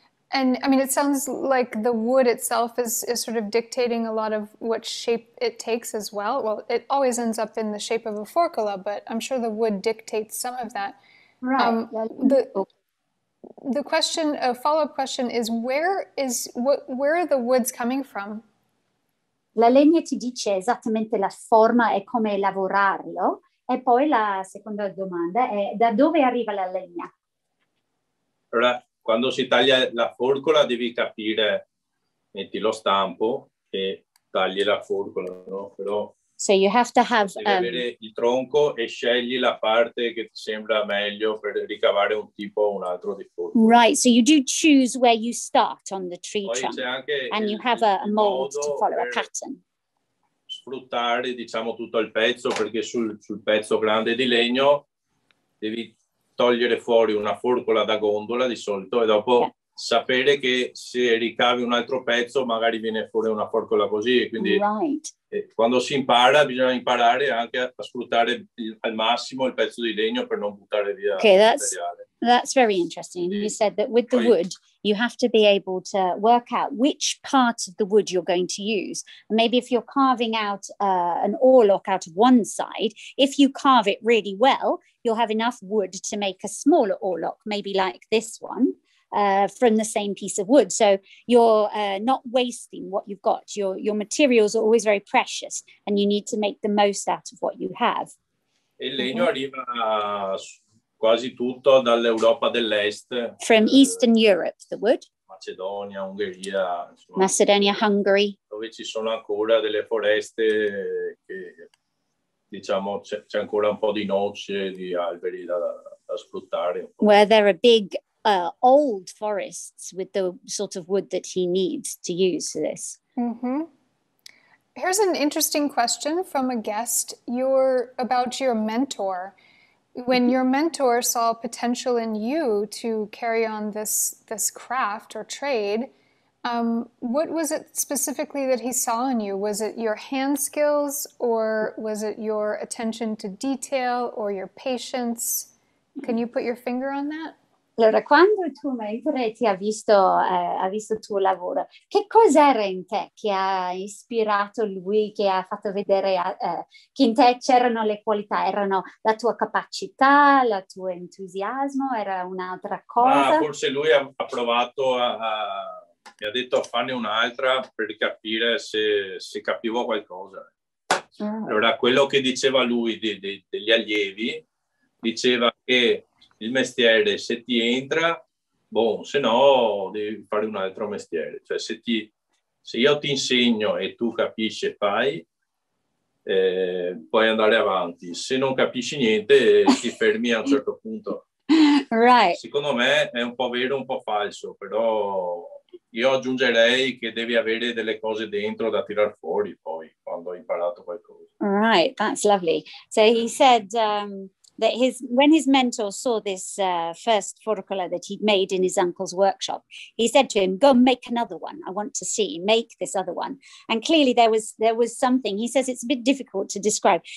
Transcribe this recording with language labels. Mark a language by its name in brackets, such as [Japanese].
[English] And I mean, it sounds like the wood itself is sort of dictating a lot of what shape it takes as well. Well, it always ends up in the shape of a forcola, but I'm sure the wood dictates some of that. Right. The follow-up question is where are the woods coming from? [Italian] La legna ti dice esattamente la forma e come lavorarlo. E poi la seconda domanda è da dove arriva la legna? [English] Right. [Italian] quando si taglia la forcola devi capire, metti lo stampo e tagli la forcola, no? Però [English] so you have to have, [Italian] devi avere il tronco e scegli la parte che ti sembra meglio per ricavare un tipo o un altro di forcola. [English] Right, so you do choose where you start on the tree. [Italian] Poi [English] trunk. [Italian] C'è anche [English] and you have a mold to follow a pattern. [Italian] Sfruttare, diciamo, tutto il pezzo, perché sul pezzo grande di legno devi togliere fuori una forcola da gondola di solito e dopo sapere che se ricavi un altro pezzo magari viene fuori una forcola così. Quindi quando si impara bisogna imparare anche a sfruttare al massimo il pezzo di legno per non buttare via il materiale. [English] That's very interesting. You said that with the wood you have to be able to work out which part of the wood you're going to use. Maybe if you're carving out an oarlock out of one side, if you carve it really well, you'll have enough wood to make a smaller oarlock, maybe like this one. From the same piece of wood, so you're not wasting what you've got. Your materials are always very precious, and you need to make the most out of what you have. [Italian] Il legno arriva quasi tutto dall'Europa dell'Est. [English] From Eastern Europe, the wood. [Italian] Macedonia, Ungheria. [English] Macedonia, Hungary. [Italian] Dove ci sono ancora delle foreste che diciamo c'è ancora un po' di noci, di alberi da sfruttare. [English] Where there are big old forests with the sort of wood that he needs to use for this. Mm-hmm. Here's an interesting question from a guest. About your mentor. When your mentor saw potential in you to carry on this craft or trade, what was it specifically that he saw in you? Was it your hand skills, or was it your attention to detail, or your patience? Can you put your finger on that? [Italian] Allora, quando il tuo mentore ti ha visto il tuo lavoro, che cos'era in te che ha ispirato lui, che ha fatto vedere che in te c'erano le qualità? Erano la tua capacità, il tuo entusiasmo, era un'altra cosa? Ma forse lui ha provato, mi ha detto fanne un'altra per capire se capivo qualcosa. Allora, quello che diceva lui degli allievi, diceva che il mestiere, se ti entra, boh, se no devi fare un altro mestiere. Cioè, se io ti insegno e tu capisci e fai, puoi andare avanti. Se non capisci niente, ti fermi a un certo punto. [English] Right. [Italian] Secondo me è un po' vero, un po' falso, però io aggiungerei che devi avere delle cose dentro da tirar fuori poi, quando hai imparato qualcosa. [English] Right, that's lovely. So he said that when his mentor saw this first forcola that he'd made in his uncle's workshop, he said to him, go make another one. I want to see, make this other one. And clearly there was something, he says it's a bit difficult to describe.